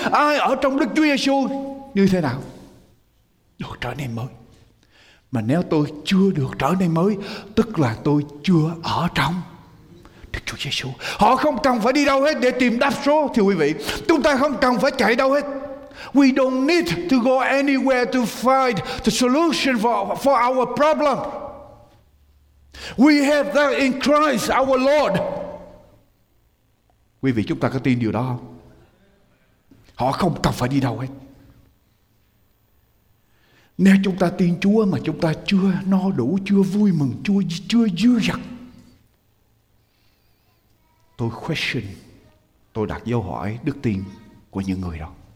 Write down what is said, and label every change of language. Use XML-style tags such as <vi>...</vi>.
<vi>Ai ở trong Đức Chúa Giêsu như thế nào? Được trở nên mới. Mà nếu tôi chưa được trở nên mới, tức là tôi chưa ở trong Đức Chúa Giêsu. Họ không cần phải đi đâu hết để tìm đáp số. Thì quý vị, chúng ta không cần phải chạy đâu hết.</vi> <en>We don't need to go anywhere to find the solution for our problem. We have that in Christ our Lord.</en> <vi>Quý vị, chúng ta có tin điều đó không? Họ không cần phải đi đâu hết. Nếu chúng ta tin Chúa mà chúng ta chưa no đủ, chưa vui mừng, chưa dư dật, tôi question, tôi đặt dấu hỏi đức tin của những người đó.</vi>